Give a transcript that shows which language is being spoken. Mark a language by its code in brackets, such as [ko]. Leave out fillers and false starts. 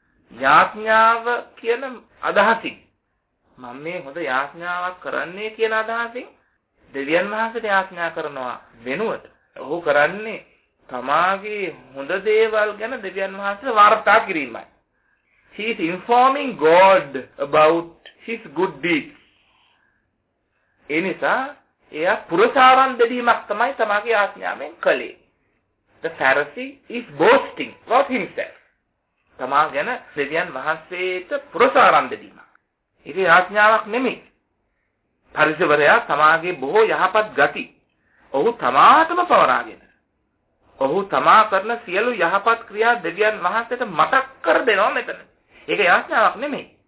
[si] යාඥාව කියන අදහසින් මම මේ හොඳ යාඥාවක් කරන්නේ කියන අදහසින් දෙවියන් වහන්සේට යාඥා කරනවා වෙනුවට ඔහු කරන්නේ තමාගේ හොඳ දේවල් ගැන දෙවියන් වහන්සේට වාර්තා කිරීමයි. [en] He is informing God about his good deeds. [si] එනිසා එයා පුරසාරම් දෙවීමක් තමයි තමාගේ යාඥාවෙන් කළේ. [en] The Pharisee is boasting about himself. [si] තමා ගැන දෙවියන් වහන්සේට පුරසාරම් දෙවීම. ඉතින් යාඥාවක් නෙමෙයි. පරිසවරයා තමාගේ බොහෝ යහපත් ගති ඔහු තමාටම පවරාගෙන ඔහු තමා කරන සියලු යහපත් ක්‍රියා දෙවියන් වහන්සේට මතක් කර දෙනවා මෙතන. ඒක යාඥාවක් නෙමෙයි.